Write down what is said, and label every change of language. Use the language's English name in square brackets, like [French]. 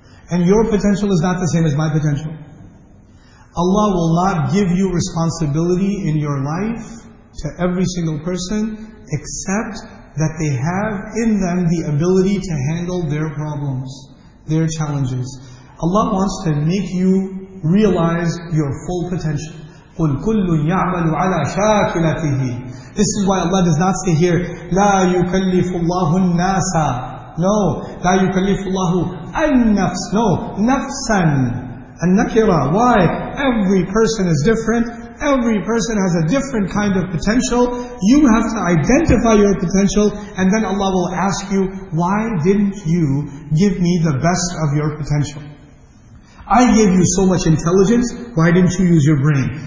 [English] And your potential is not the same as my potential. Allah will not give you responsibility in your life to every single person except that they have in them the ability to handle their problems, their challenges. Allah wants to make you realize your full potential. [Arabic] قُلْ كُلُّ يَعْمَلُ عَلَى شَاكِلَتِهِ. [English] This is why Allah does not say here, [Arabic] لَا يُكَلِّفُ اللَّهُ النَّاسَ. [English] No, [Arabic] لا يكلف الله النفس. [English] No, [Arabic] نفسا. النكرة. [English] Why? Every person is different. Every person has a different kind of potential. You have to identify your potential, and then Allah will ask you, why didn't you give me the best of your potential? I gave you so much intelligence, why didn't you use your brain?